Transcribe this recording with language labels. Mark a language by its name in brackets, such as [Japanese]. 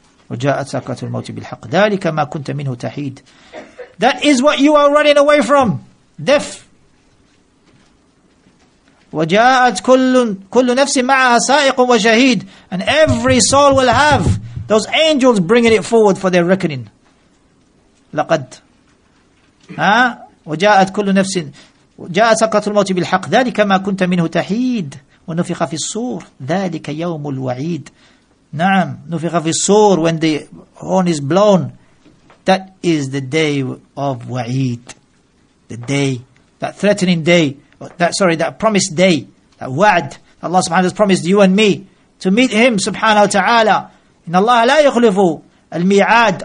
[Arabic] وَجَاءَتْ سَكْرَةُ الْمَوْتِ بِالْحَقِّ ذَلِكَ مَا كُنْتَ مِنْهُ تَحِيدُ. [English] That is what you are running away from. Death. [Arabic] وَجَاءَتْ كُلُّ نَفْسٍ مَعَهَا سَائِقٌ وَشَهِيدٌ. [English] And every soul will have those angels bringing it forward for their reckoning. [Arabic] لقد وجاءت كل نفس جاءت سكرة الموت بالحق ذلك ما كنت منه تحيد ونفخ في الصور ذلك يوم الوعيد. نعم نفخ في الصور. [English] When the horn is blown, that is the day of وعيد, the day, that threatening day, that promised day, that وعد. Allah subhanahu wa ta'ala promised you and me to meet him subhanahu wa ta'ala. [Arabic] إن الله لا يخلف الميعاد.